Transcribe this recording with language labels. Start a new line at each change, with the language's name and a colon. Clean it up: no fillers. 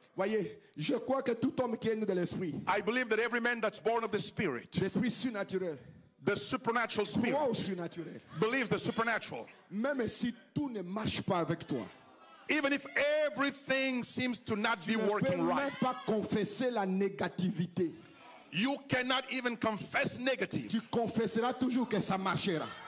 French: Voyez, je crois que tout homme qui est né de l'esprit.
English: I believe that every man that's born of the spirit.
French: L'esprit surnaturel.
English: The supernatural spirit.
French: Croit au surnaturel.
English: Believes the supernatural.
French: Même si tout ne marche pas avec toi.
English: Even if everything seems to not
French: tu
English: be working right.
French: Tu ne peux même pas confesser la négativité.
English: You cannot even confess negative.
French: Tu confesseras toujours que ça marchera.